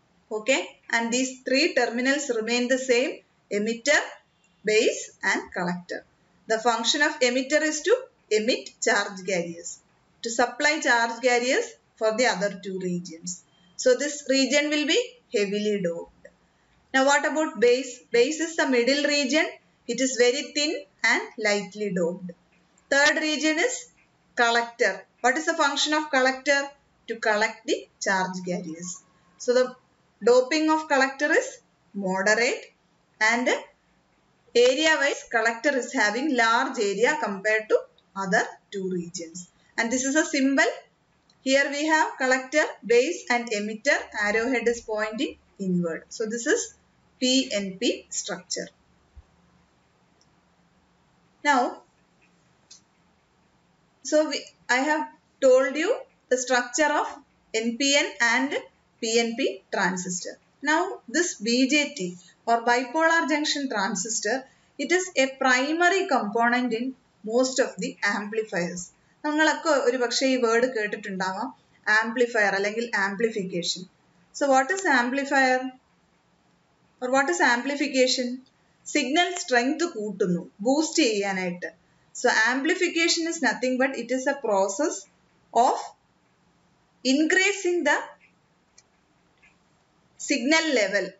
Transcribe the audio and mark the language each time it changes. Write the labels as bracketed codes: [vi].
[en] Okay, and these three terminals remain the same, emitter, base and collector. The function of emitter is to emit charge carriers, to supply charge carriers for the other two regions. So this region will be heavily doped. Now what about base? Base is the middle region. It is very thin and lightly doped. Third region is collector. What is the function of collector? To collect the charge carriers. So the doping of collector is moderate and area wise collector is having large area compared to other two regions. And this is a symbol. Here we have collector, base and emitter. Arrowhead is pointing inward. So this is PNP structure. Now, so I have told you the structure of NPN and PNP transistor. Now, this BJT or bipolar junction transistor, it is a primary component in most of the amplifiers. [ml] നിങ്ങളൊക്കെ ഒരു പക്ഷേ ഈ word കേട്ടിട്ടുണ്ടാവാം, amplifier അല്ലെങ്കിൽ amplification. [en] So what is amplifier or what is amplification? [ml] Signal strength കൂട്ടുന്നു boost ചെയ്യാനായിട്ട്. [en] So amplification is nothing but it is a process of increasing the signal level.